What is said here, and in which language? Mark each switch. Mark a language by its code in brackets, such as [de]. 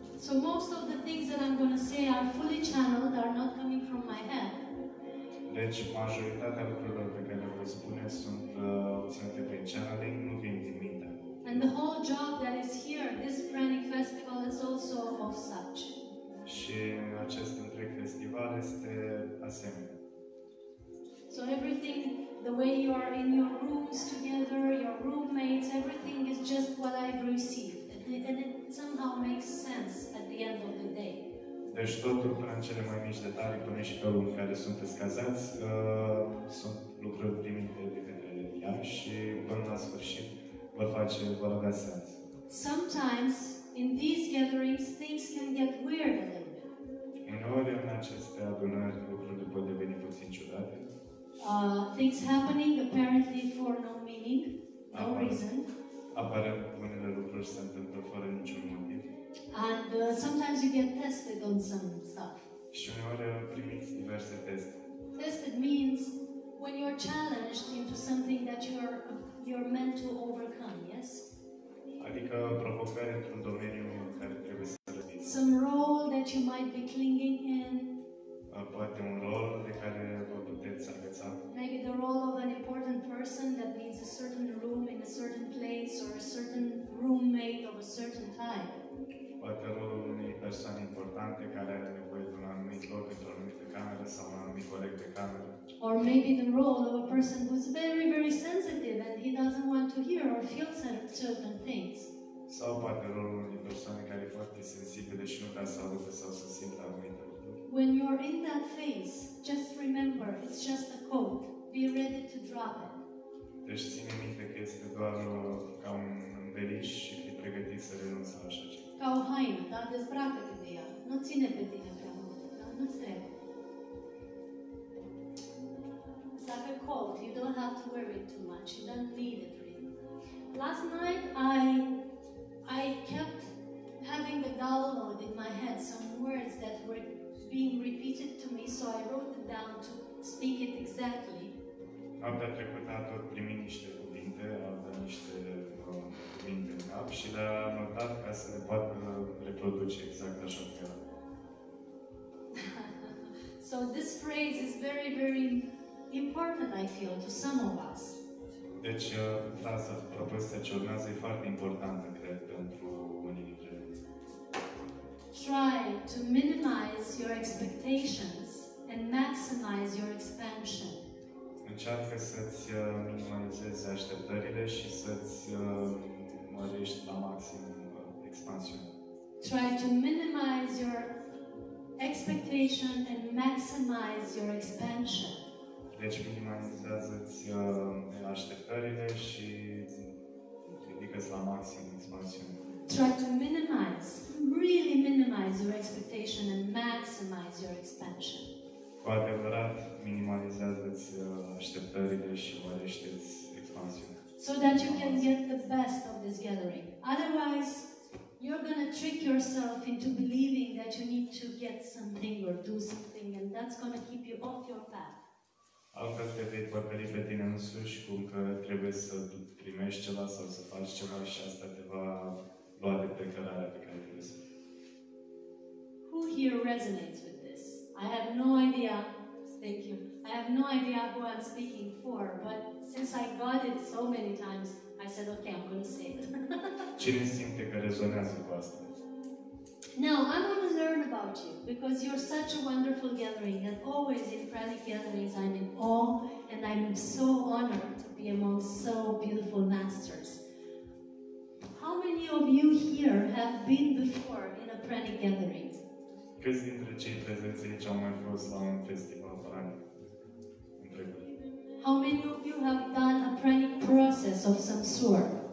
[en] So most of the things that I'm going to say are fully channeled, are not coming from my head. [ro] Deci majoritatea lucrurilor pe care vă spune sunt obținute prin channeling, nu vin din minte. [en] And the whole job that is here, this Pranic Festival, is also of such. [ro] Și acest întreg festival este asemenea. [en] So everything, the way you are in your rooms together, your roommates, everything is just what I've received. And it somehow makes sense at the end of the day. [ro] Deci totul, până în cele mai mici detalii, până și felul în care sunteți cazați, sunt lucruri primite de către ea și până la sfârșit vă face, vă rog sens. [en] Sometimes, in these gatherings, things can get weird a little bit. [ro] Uneori, în aceste adunări, lucrurile pot deveni puțin ciudate. [en] Things happening, apparently, for no meaning, no reason. [ro] Aparent, unele lucruri se întâmplă fără niciun motiv. [en] And sometimes you get tested on some stuff. [ro] Și uneori primiți diverse teste. [en] Tested means when you're challenged into something that you're meant to overcome, yes? [ro] Adică provocare într-un domeniu în care trebuie să rezolvi. [en] Some role that you might be clinging in. [ro] Poate un rol de care vă puteți agăța. [en] Maybe the role of an important person that needs a certain room in a certain place or a certain roommate of a certain type. [ro] Poate rolul unei persoane importante care are nevoie de un anumit loc într-o anumită cameră sau un anumit coleg de cameră. [en] Or maybe the role of a person who's very, very sensitive and he doesn't want to hear or feel certain things. [ro] Sau poate rolul unei persoane care e foarte sensibilă și nu vrea să audă sau să simtă anumite lucruri. [en] When you're in that phase, just remember, it's just a coat. Be ready to drop it. [ro] Deci ține minte că este doar ca un înveliș și fii pregătit să renunți la așa ceva. Ca o haină, dar dezbracă-te de ea. Nu ține pe tine prea mult, dar nu-ți trebuie. [en] It's like a coat. You don't have to wear it too much. You don't need it really. Last night, I kept having a download in my head, some words that were being repeated to me, so I wrote it down to speak it exactly. [ro] Noaptea trecută am tot primit niște cuvinte, aveam niște cuvinte în cap și le-am notat ca să le pot reproduce exact așa pe ele. [en] So this phrase is very, very important, I feel, to some of us. [ro] Deci, fraza propusă ce urmează e foarte importantă, cred, pentru unii dintre noi. [en] Try to minimize your expectations and maximize your expansion. [ro] Încearcă să-ți minimalizezi așteptările și să-ți mărești la maxim expansiune. [en] Try to minimize your expectation and maximize your expansion. [ro] Deci minimalizează-ți așteptările și ridică-ți la maxim expansiune. [en] Try to minimize, really minimize your expectation and maximize your expansion. [ro] Cu adevărat, minimalizează-ți așteptările și mărește-ți expansiunea. [en] So that you can get the best of this gathering. Otherwise, you're going to trick yourself into believing that you need to get something or do something and that's going to keep you off your path. [ro] Altfel te vei păcăli pe tine însuși cum că trebuie să primești ceva sau să faci ceva și asta te va lua de pe cărarea pe care trebuie să fie. [en] Who here resonates with? I have no idea, thank you, I have no idea who I'm speaking for, but since I got it so many times, I said, okay, I'm going to say it. [ro] Cine simte că rezonează cu asta? [en] Now, I want to learn about you, because you're such a wonderful gathering, and always in Pranic gatherings, I'm in awe, and I'm so honored to be among so beautiful masters. How many of you here have been before in a Pranic gathering? [ro] Câți dintre cei prezenți aici au mai fost la un festival Pranic? [en] How many of you have done a Pranic process of some sort?